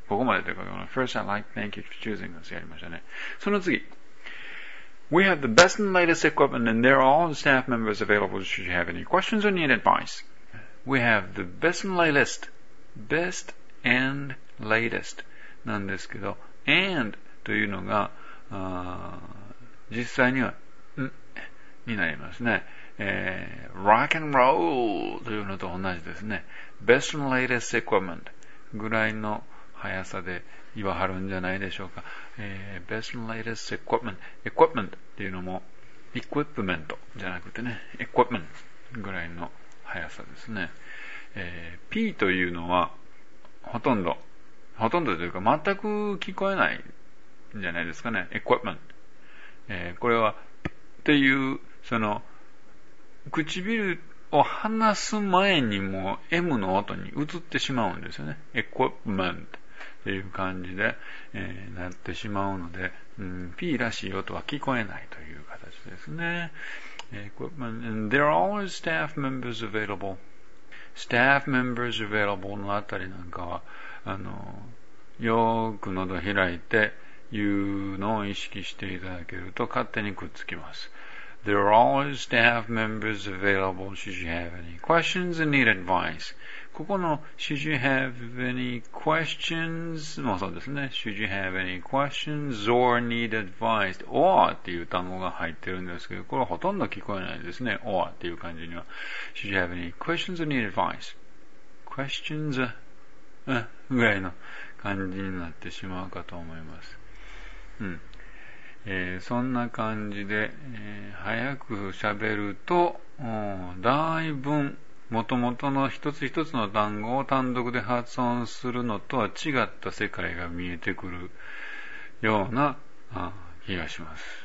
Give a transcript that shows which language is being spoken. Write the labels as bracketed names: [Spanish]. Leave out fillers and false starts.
[Japanese] ここまでというか、 [English] First, I'd like to thank you for choosing us. [Japanese] やりましたね。その次。 [English] We have the best and latest equipment and there are all the staff members available should you have any questions or need advice. We have the best and latest. Best and latest. [Japanese] なんですけど、and というのが、実際には、になりますね。 [English] Rock and roll [Japanese] というのと同じですね。 [English] Best and latest equipment [Japanese] ぐらいの速さで言わはるんじゃないでしょうか。 [English] Best and latest equipment。 [Japanese] Equipment というのも Equipment じゃなくてね、Equipment ぐらいの速さですね。 P というのはほとんどというか全く聞こえないんじゃないですかね。 [English] Equipment。 [Japanese] これはっていうその唇を離す前にも M の音に移ってしまうんですよね。 Equipment っていう感じで、なってしまうので、P らしい音は聞こえないという形ですね。 [English] Equipment. And there are always staff members available. Staff members available [Japanese] のあたりなんかは、よく喉開いて言うのを意識していただけると勝手にくっつきます。 [English] There are always staff members available should you have any questions and need advice. [Japanese] ここの [English] should you have any questions [Japanese] もそうですね。 [English] should you have any questions or need advice [Japanese] or っていう単語が入ってるんですけど、これはほとんど聞こえないですね。 or っていう感じには。 [English] should you have any questions or need advice? questions? [Japanese] ぐらいの感じになってしまうかと思います。そんな感じで、早く喋ると、だいぶ元々の一つ一つの単語を単独で発音するのとは違った世界が見えてくるような気がします。